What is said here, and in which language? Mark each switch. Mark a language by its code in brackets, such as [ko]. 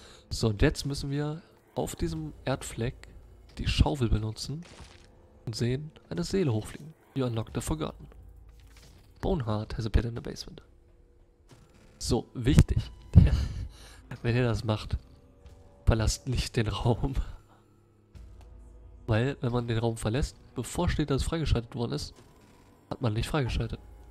[de] So, und jetzt müssen wir auf diesem Erdfleck die Schaufel benutzen und sehen eine Seele hochfliegen. [en] You unlock the forgotten. Boneheart has a bed in the basement. [de] So, wichtig. Wenn ihr das macht, verlasst nicht den Raum. Weil, wenn man den Raum verlässt, bevor steht, dass es freigeschaltet worden ist, hat man nicht freigeschaltet.